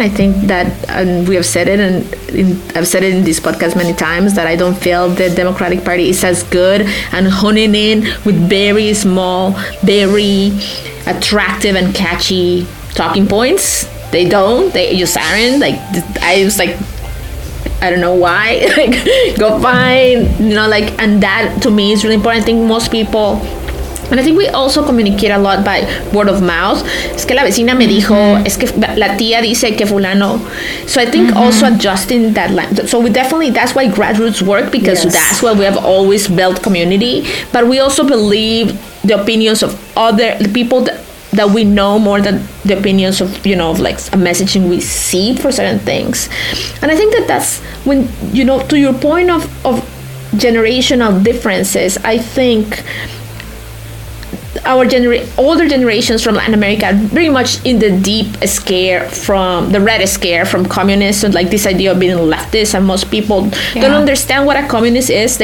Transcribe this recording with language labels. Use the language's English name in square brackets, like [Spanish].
[English] I think that, and we have said it, and I've said it in this podcast many times, that I don't feel the Democratic Party is as good and honing in with very small, very attractive and catchy talking points. They don't. They just aren't. Like, I was like, I don't know why. Go find, you know, like, and that to me is really important. I think most people. And I think we also communicate a lot by word of mouth. [Spanish] Es que la vecina me dijo, es que la tía dice que fulano. [English] So I think also adjusting that line. So we definitely, that's why grassroots work, because that's where we have always built community. But we also believe the opinions of other, the people that we know more than the opinions of, you know, of like a messaging we see for certain things. And I think that that's when, you know, to your point of generational differences, I think our older generations from Latin America are very much in the deep scare from the red scare from communists, and like this idea of being leftist, and most people don't understand what a communist is.